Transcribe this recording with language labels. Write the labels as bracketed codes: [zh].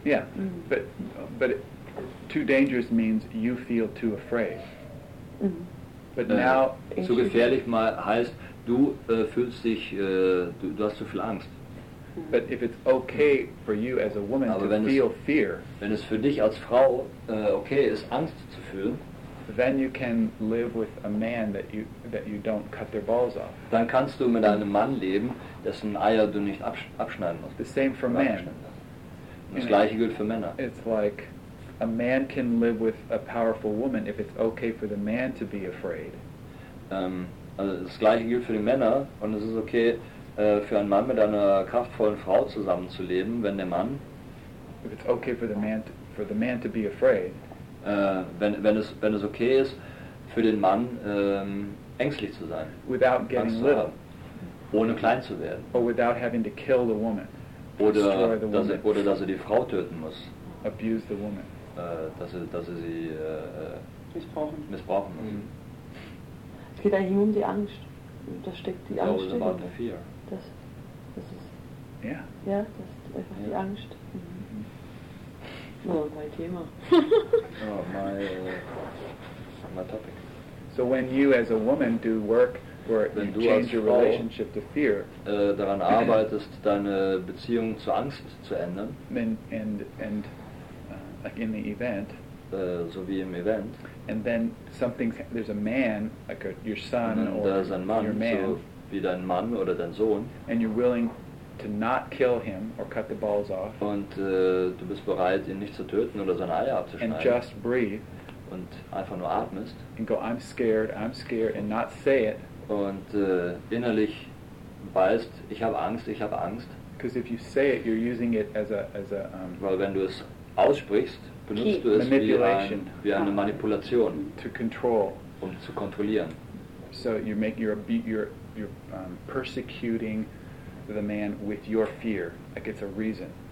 [en] Yeah, but too dangerous means you feel too afraid. But now, [de] zu gefährlich heißt du fühlst dich du hast zu viel Angst. [en] But if it's okay for you as a woman [de] aber [en] to feel fear, [de] wenn es für dich als Frau okay ist, Angst zu fühlen, [en] then you can live with a man that you don't cut their balls off. [de] Dann kannst du mit einem Mann leben, dessen Eier du nicht abschneiden musst. [en] The same for men. [de] Das gleiche gilt für Männer. [en] It's like a man can live with a powerful woman if it's okay for the man to be afraid. [de] Also das gleiche gilt für die Männer und es ist okay für einen Mann mit einer kraftvollen Frau zusammenzuleben, wenn der Mann [en] if it's okay for the man to be afraid. [de] Wenn es okay ist für den Mann ängstlich zu sein. [en] Without getting little. [de] Ohne klein zu werden. [en] Or without having to kill the woman. [de] Oder dass er die Frau töten muss. [en] Abuse the woman. [de] Dass er sie missbrauchen muss. Es geht eigentlich um die Angst. Da steckt die Angst. [en] It's about the fear. [de] Das ist. Ja. Ja, das ist einfach die Angst. Oh, mein Thema. [en] my topic. So when you as a woman do work where [de] wenn [en] you change your relationship to fear, [de] daran arbeitest, deine Beziehung zur Angst zu ändern, [en] and like in the event. [de] So wie im Event. [en] And then something, there's a man, like your son or [de] Mann, [en] your man, [de] so wie dein Mann oder dein Sohn, [en] and you're willing to not kill him or cut the balls off, [de] und du bist bereit, ihn nicht zu töten oder seine Eier abzuschneiden, [en] and just breathe, [de] und einfach nur atmest, [en] and go, I'm scared, and not say it, [de] und innerlich weißt, ich habe Angst, ich habe Angst. [en] Because if you say it, you're using it as a. [de] Weil wenn du es aussprichst, benutzt du es [en] manipulation. [de] Wie eine Manipulation, [en] to control. [de] Um zu kontrollieren. [en] So you're persecuting the man with your fear, like it's a reason.